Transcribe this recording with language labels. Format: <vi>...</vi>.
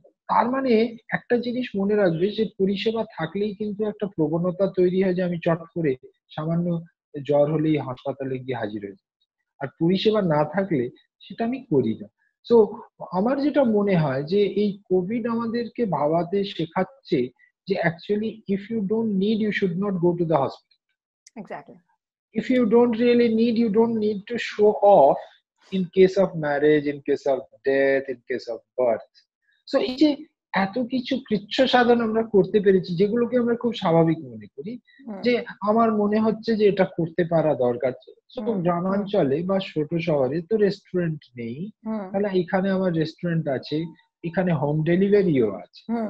<bn>তার মানে একটা জিনিস মনে রাখবে যে পরিষেবা থাকলেই কিন্তু একটা প্রবণতা তৈরি হয় যে আমি চট করে সামান্য জ্বর হলেই হাসপাতালে গিয়ে হাজির হয়ে যাই, আর পরিষেবা না থাকলে সেটা আমি করি না। তো আমার যেটা মনে হয় যে এই কোভিড আমাদেরকে ভাবাতে শেখাচ্ছে যে</bn> <en>Actually if you don't need you should not go to the hospital, exactly. If you don't really need, you don't need to show off in case of marriage, in case of death, in case of birth.</en> <bn>So, এই যে এত কিছু কৃচ্ছ সাধন আমরা করতে পেরেছি যেগুলোকে আমরা খুব স্বাভাবিক মনে করি, যে আমার মনে হচ্ছে যে এটা করতে পারা দরকার। তো গ্রামাঞ্চলে বা ছোট শহরে তো রেস্টুরেন্ট নেই, তাহলে এখানে আমার রেস্টুরেন্ট আছে, এখানে হোম ডেলিভারিও আছে।</bn>